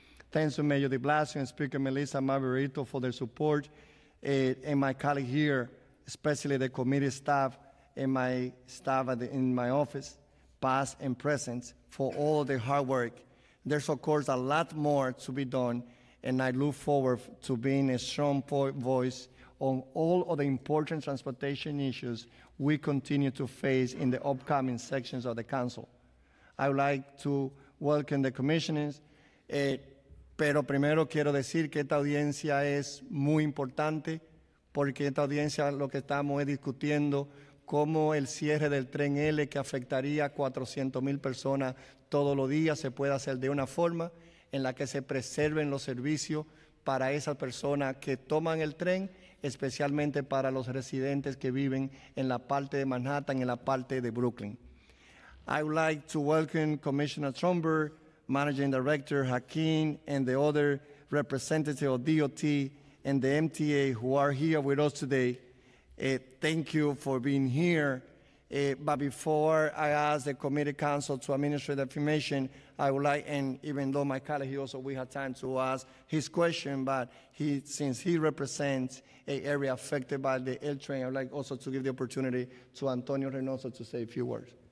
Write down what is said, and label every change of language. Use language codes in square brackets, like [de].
[en] Thanks to Mayor de Blasio and Speaker Melissa Marbarito for their support, and my colleague here, especially the committee staff and my staff in my office, past and present, for all the hard work. There's, of course, a lot more to be done, and I look forward to being a strong voice on all of the important transportation issues we continue to face in the upcoming sections of the council. I would like to welcome the commissioners. [es] Pero primero quiero decir que esta audiencia es muy importante, porque esta audiencia lo que estamos es discutiendo cómo el cierre del tren L que afectaría 400,000 personas todos los días se puede hacer de una forma en la que se preserven los servicios para esas personas que toman el tren, especialmente para los residentes que viven en la parte de Manhattan, en la parte de Brooklyn. [en] I would like to welcome Commissioner Trumber, Managing Director Hakeem, and the other representative of DOT and the MTA who are here with us today. Thank you for being here. But before I ask the committee council to administer the information, I would like, and even though my colleague, he also, we have time to ask his question, but he, since he represents an area affected by the L train, I would like also to give the opportunity to Antonio Reynoso to say a few words.